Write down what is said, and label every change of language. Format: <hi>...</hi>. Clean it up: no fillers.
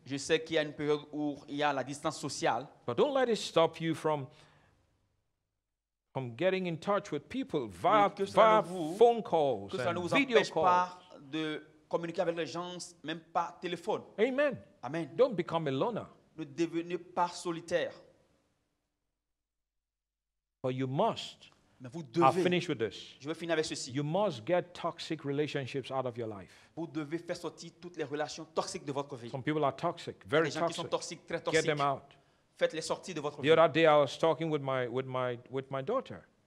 <fr>Je sais qu'il y a une période où il y a la distance sociale.</fr> <en>But don't let it stop you from getting in touch with people via phone calls and video calls.</en> <fr>Communiquer avec les gens, même par téléphone.</fr> <en>Amen. Amen. Don't become a loner.</en> <fr>Ne devenez pas solitaire.</fr> <en>But you must.</en> <fr>Mais vous devez.</fr> <en>I'll finish with this.</en> <fr>Je vais finir avec ceci.</fr> <en>You must get toxic relationships out of your life.</en> <fr>Vous devez faire sortir toutes les relations toxiques de votre vie.</fr> <en>Some people are toxic, very toxic.</en> <fr>Les gens qui sont toxiques, très toxiques.</fr> <en>Get them out.</en> <fr>Faites-les sortir de votre vie.</fr> <en>The other day, I was talking with my daughter.</en>